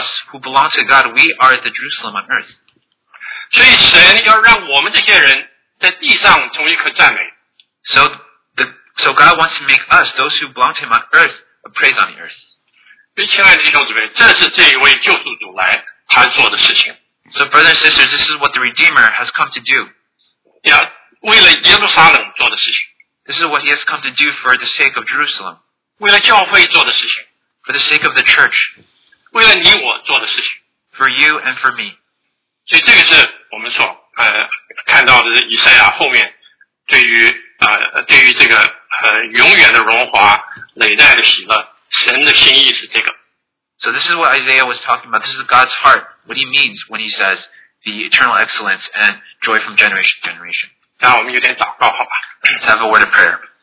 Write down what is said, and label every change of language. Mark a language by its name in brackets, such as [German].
[English] those of us who belong to God, we are the Jerusalem on earth. [Chinese] 所以神要让我们这些人在地上成为可赞美。So [English] So God wants to make us, those who belong to him on earth, a praise on the earth. [Chinese] 亲爱的弟兄姊妹,这是这一位救赎主来,他做的事情。 [English] So brothers and sisters, this is what the Redeemer has come to do. [Chinese] 为了耶路撒冷做的事情。 [English] This is what he has come to do for the sake of Jerusalem. [Chinese] 为了教会做的事情。 [English] For the sake of the church. [Chinese] 为了你我做的事情。 [English] For you and for me. [Chinese] 所以这个是我们所看到的以赛亚后面对于 对于这个永远的荣华累代的喜乐神的心意是这个. [English] So this is what Isaiah was talking about. This is God's heart, what he means when he says the eternal excellence and joy from generation to generation. [Chinese] 让我们有点祷告好吧. [English] Let's have a word of prayer.